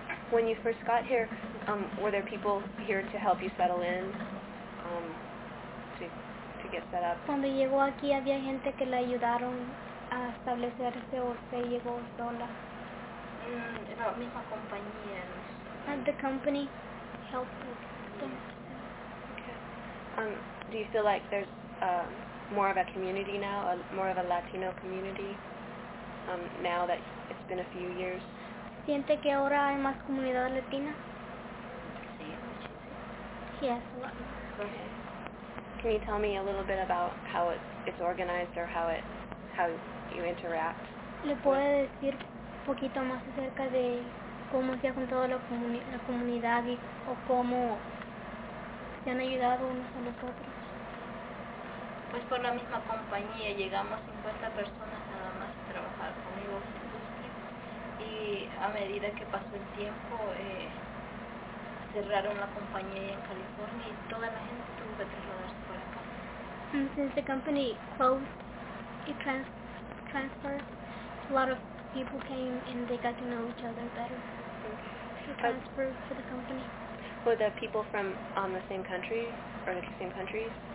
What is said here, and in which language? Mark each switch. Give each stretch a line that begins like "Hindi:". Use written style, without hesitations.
English: When you first got here, were there people here to help you settle in, to get set up?
Spanish: Cuando llegó aquí había gente que le ayudaron a establecerse o se llegó sola. Era misma compañía.
English: And the company helped them. Okay. Do you feel like there's more of a community now, more of a Latino community, now that it's been a few years?
Spanish: ¿Siente que ahora hay más comunidad latina? Sí,
English: yes, a lot. Okay. Can you tell me a little bit about how it's organized or how you interact?
Spanish: ¿Le puedo decir poquito más acerca de cómo se ha juntado la comunidad y o cómo se han ayudado unos a los otros? Pues por la misma compañía llegamos 50 personas nada más a trabajar conmigo. Y a medida que pasó el tiempo, cerraron la compañía en California y toda la gente tuvo que trasladarse para acá.
English: And since the company closed, it transferred, a lot of people came and they got to know each other better. Mm-hmm. It transferred for the company. Were the people from the same country or the same countries?